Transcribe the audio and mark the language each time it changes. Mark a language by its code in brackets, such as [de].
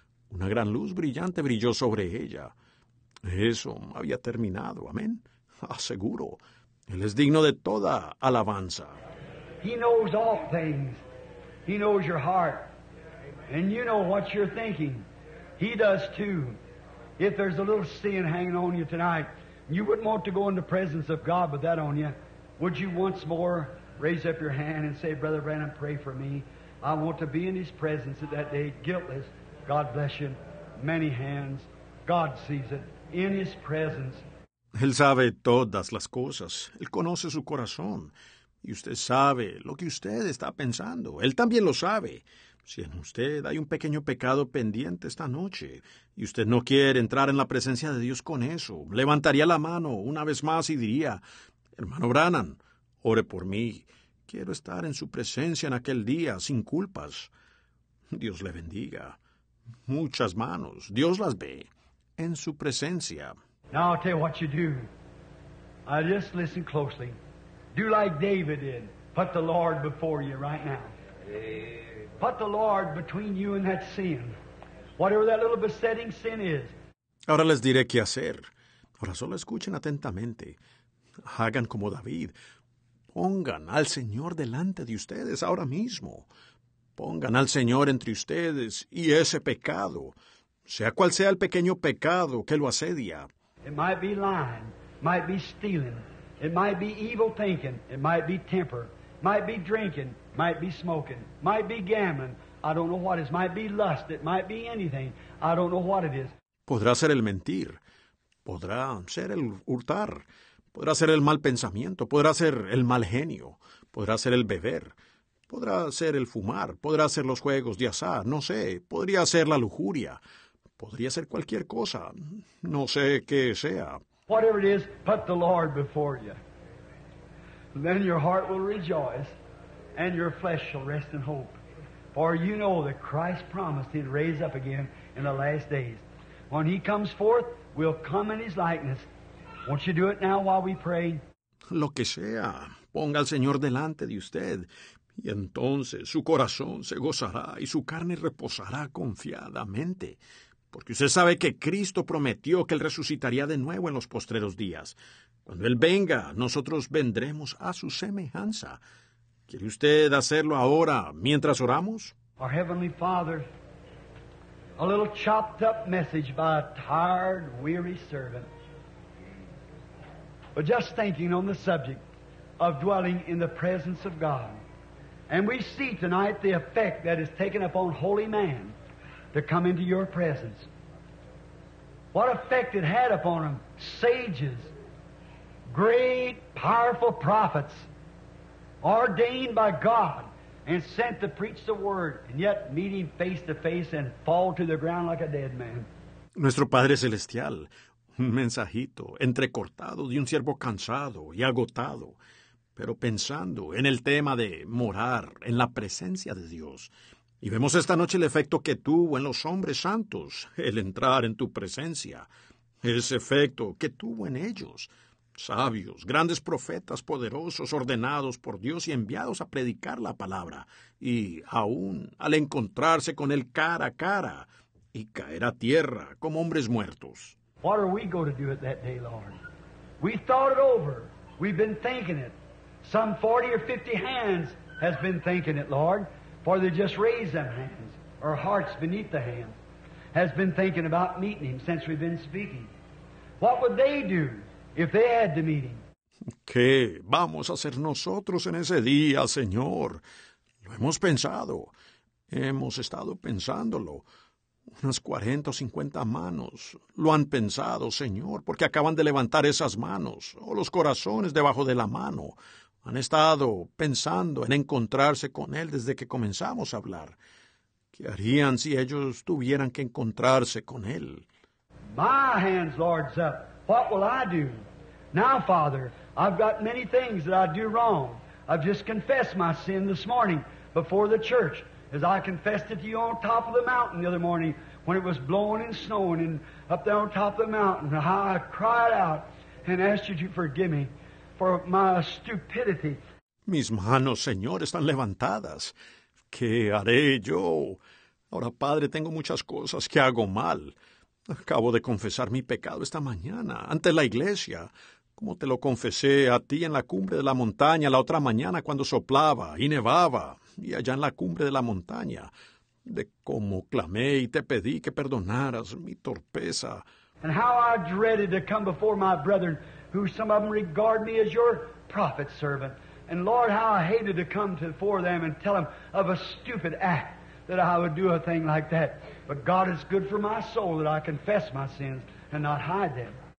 [es] Una gran luz brillante brilló sobre ella. Eso había terminado. Amén. Aseguro. Él es digno de toda alabanza. [en] He knows all things. He knows your heart. And you know what you're thinking. He does too. If there's a little sin hanging on you tonight, you wouldn't want to go in the presence of God with that on you. Would you once more raise up your hand and say, Brother Branham, pray for me. I want to be in his presence at that day, guiltless. God bless you. Many hands. God sees it. In his presence. [es] Él sabe todas las cosas. Él conoce su corazón. Y usted sabe lo que usted está pensando. Él también lo sabe. Si en usted hay un pequeño pecado pendiente esta noche y usted no quiere entrar en la presencia de Dios con eso, levantaría la mano una vez más y diría, hermano Branham, ore por mí. Quiero estar en su presencia en aquel día sin culpas. Dios le bendiga. Muchas manos. Dios las ve en su presencia. [en] Now I'll tell you what you do. I just listen closely. Do like David did. Put the Lord before you right now. Put the Lord between you and that sin. Whatever that little besetting sin is. [es] Ahora les diré qué hacer. Ahora solo escuchen atentamente. Hagan como David. Pongan al Señor delante de ustedes ahora mismo. Pongan al Señor entre ustedes y ese pecado. Sea cual sea el pequeño pecado que lo asedia. [en] It might be lying, might be stealing, it might be evil thinking, it might be temper, might be drinking, might be smoking, might be gambling, I don't know what it is, might be lust, it might be anything, I don't know what it is. [es] Podrá ser el mentir, podrá ser el hurtar, podrá ser el mal pensamiento, podrá ser el mal genio, podrá ser el beber, podrá ser el fumar, podrá ser los juegos de azar, no sé, podría ser la lujuria. Podría ser cualquier cosa. No sé qué sea. [en] Whatever it is, put the Lord before you. Then your heart will rejoice, and your flesh shall rest in hope. For you know that Christ promised He'd raise up again in the last days. When He comes forth, we'll come in His likeness. Won't you do it now while we pray? [es] Lo que sea, ponga al Señor delante de usted, y entonces su corazón se gozará y su carne reposará confiadamente. Porque usted sabe que Cristo prometió que Él resucitaría de nuevo en los postreros días. Cuando Él venga, nosotros vendremos a su semejanza. ¿Quiere usted hacerlo ahora, mientras oramos? [en] Our Heavenly Father, a little chopped up message by a tired, weary servant. But just thinking on the subject of dwelling in the presence of God. And we see tonight the effect that is taken upon holy man to come into your presence. What effect it had upon him, sages, great, powerful prophets, ordained by God and sent to preach the word, and yet meet him face to face and fall to the ground like a dead man. [es] Nuestro Padre Celestial, un mensajito entrecortado de un siervo cansado y agotado, pero pensando en el tema de morar en la presencia de Dios. Y vemos esta noche el efecto que tuvo en los hombres santos el entrar en tu presencia. Ese efecto que tuvo en ellos. Sabios, grandes profetas poderosos, ordenados por Dios y enviados a predicar la palabra. Y aún al encontrarse con Él cara a cara y caer a tierra como hombres muertos. [en] What are we going to do at that day, Lord? We thought it over. We've been thinking it. Some 40 or 50 hands has been thinking it, Lord, for they just raised them hands, or hearts beneath the hands, has been thinking about meeting Him since we've been speaking. What would they do if they had to meet Him? [es] ¿Qué vamos a hacer nosotros en ese día, Señor? Lo hemos pensado. Hemos estado pensándolo. Unas 40 o 50 manos lo han pensado, Señor, porque acaban de levantar esas manos o los corazones debajo de la mano. Han estado pensando en encontrarse con Él desde que comenzamos a hablar. ¿Qué harían si ellos tuvieran que encontrarse con Él? [en] My hands, Lord's up. What will I do? Now, Father, I've got many things that I do wrong. I've just confessed my sin this morning before the church. As I confessed it to you on top of the mountain the other morning when it was blowing and snowing and up there on top of the mountain, how I cried out and asked you to forgive me for my stupidity. [es] Mis manos, Señor, están levantadas. ¿Qué haré yo? Ahora, Padre, tengo muchas cosas que hago mal. Acabo de confesar mi pecado esta mañana ante la iglesia, como te lo confesé a ti en la cumbre de la montaña la otra mañana cuando soplaba y nevaba. Y allá en la cumbre de la montaña, de cómo clamé y te pedí que perdonaras mi torpeza. [en] And how I dreaded to come before my brethren, who some of them regard me as your prophet servant. And Lord, how I hated to come before them and tell them of a stupid act, that I would do a thing like that. But God is good for my soul that I confess my sins and not hide them.